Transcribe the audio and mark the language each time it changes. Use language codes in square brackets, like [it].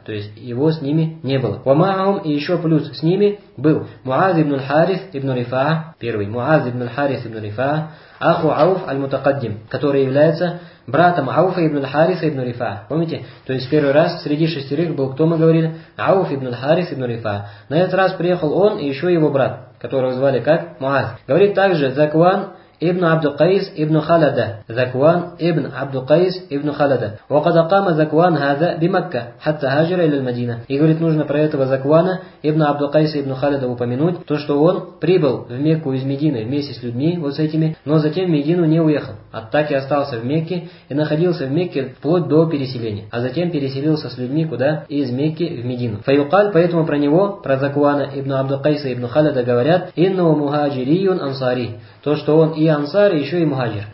[ru] То есть его с ними не было. Вамахаум и еще плюс с ними был Муаз ибн Харис ибн Рифа. Первый. Муаз ибн Харис ибн Рифа. Аху Ауф аль-Мутакаддим. Который является братом Ауфа ибн Хариса ибн Рифа. Помните? То есть первый раз среди шестерых был, кто мы говорили? Ауф ибн Харис ибн Рифа. На этот раз приехал он и еще его брат, которого звали как? Муаз. Говорит также Закван [ar] ابن عبد القيس ابن خالد ذكوان ابن عبد القيس ابن خالد وقد قام ذكوان هذا بمكة حتى هاجر إلى المدينة. [ru] И говорит, нужно про этого Закуана ибн عبد القيس ابن خالد упомянуть, то что он прибыл в Мекку из Медины вместе с людьми вот с этими, но затем в Медину не уехал, а так и остался в Мекке и находился в Мекке вплоть до переселения, а затем переселился с людьми куда? Из Мекки в Медину. [ar] فيقال, [ru] поэтому про него, про Закуана ابن عبد القيس ابن خالد говорят [ar] إنه مهاجري أنصاري, [ru] то что он и ансар, и еще и мухаджир.